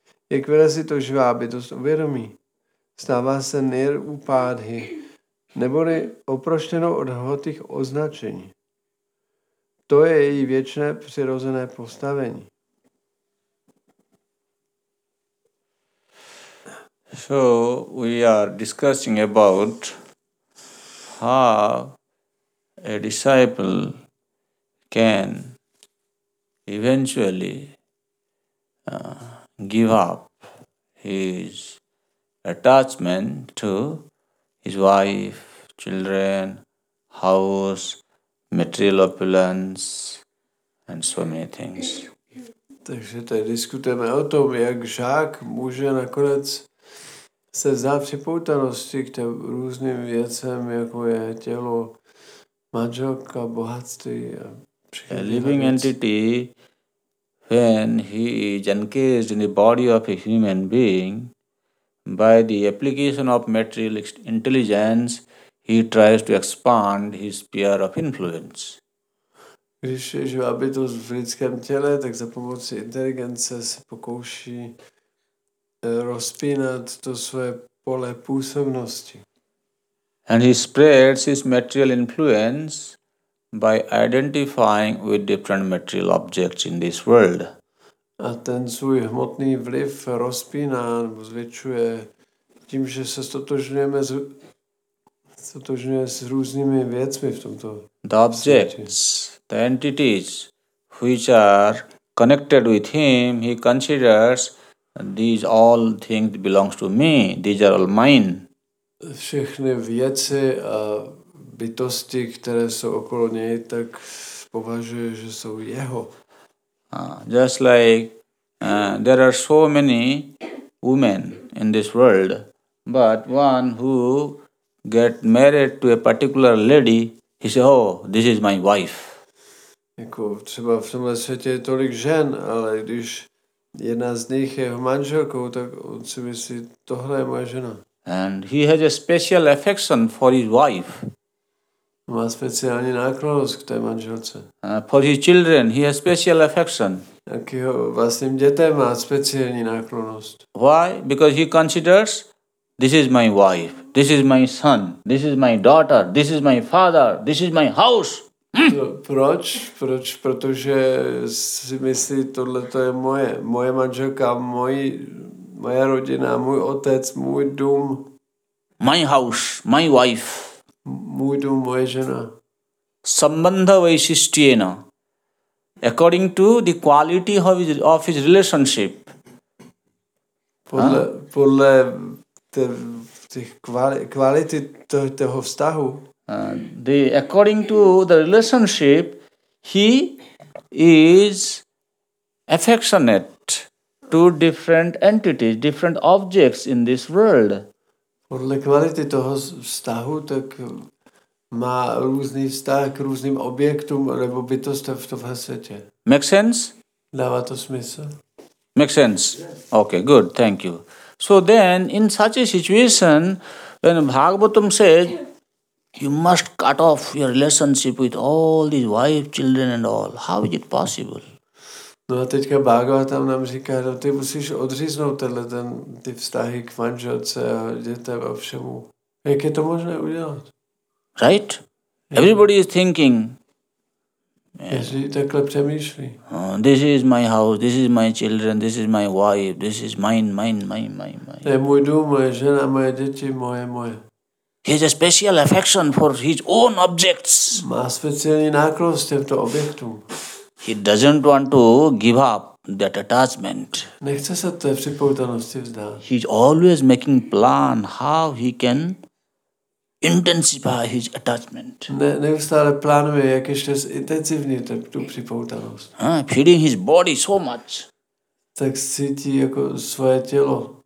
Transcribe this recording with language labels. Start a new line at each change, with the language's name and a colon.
Czech: Jakmile si to živá bytost uvědomí, stává se nirupádhy, neboli oproštěnou od hmotných označení. To je její věčné přirozené postavení.
English: So we are discussing about how a disciple can eventually give up his attachment to his wife, children, house, material opulence, and so many things.
Czech: Takže tady diskutujeme o tom, jak žák může nakonec se vzdát připoutanosti k těm různým věcem, jako je tělo, manželka, bohatství.
English: A a living entity, when he is encased in the body of a human being, by the application of material intelligence, he tries to expand his sphere of influence.
Czech: Když živá bytost v lidském těle, tak za pomocí inteligence se pokouší rozpínat to svoje pole působnosti.
English: And he spreads his material influence by identifying with different material objects in this world.
Czech: A ten svůj hmotný vliv rozpíná nebo zvětšuje tím, že se stotožňuje s různými věcmi v tomto světě.
English: The objects, the entities which are connected with him, he considers these all things belongs to me, these are all mine.
Czech: Všechny věci a bytosti, které jsou okolo něj, tak považuje, že jsou jeho.
English: Just like there are so many women in this world, but one who get married to a particular lady, he says, oh, this is my wife.
Czech: Jako třeba v tomhle světě je tolik žen, ale když jedna z nich je jeho manželkou, tak on si myslí, tohle je moje žena.
English: And he has a special affection for his wife.
Czech: Má speciální náklonost k té manželce.
English: For his children, he has special affection.
Czech: Tak jeho vlastním dětem má speciální náklonost.
English: Why? Because he considers, this is my wife, this is my son, this is my daughter, this is my father, this is my house.
Czech: Proč? Proč? Protože si myslí, tohle to je moje manželka, moje rodina, můj otec, můj dům.
English: My house, my wife.
Czech: Můj dům, moje žena.
English: Sambandha vaishishtyena. According to the quality of his relationship.
Czech: Podle kvality toho vztahu.
English: According to the relationship, he is affectionate to different entities, different objects in this world.
Czech: Podle kvality toho vztahu, tak má různý vztah k různým objektům nebo bytostem v tomhle světě.
English: Make sense?
Czech: Dává to smysl.
English: Make sense? Okay, good, thank you. So then, in such a situation, when Bhagavatam said, you must cut off your relationship with all these wife, children and all, how is it possible?
Czech: No a teďka Bhagavatam nám říká, no ty musíš odříznout ty vztahy k manželce a dětem a všemu. Jak je to možné udělat?
English: Right? Everybody is thinking.
Czech: Jestli takhle přemýšlí.
English: This is my house, this is my children, this is my wife, this is mine.
Czech: To je můj dům, moje žena, moje děti, moje.
English: He has a special affection for his own objects.
Czech: Má speciální náklonost k těmto objektům.
English: He doesn't want to give up that attachment.
Czech: Nechce se té připoutanosti vzdát.
English: He's always making plan how he can intensify his attachment.
Czech: Neustále plánuje, jak ještě zintenzivnit tu připoutanost.
English: Feeding his body so much.
Czech: Tak cítí jako svoje tělo.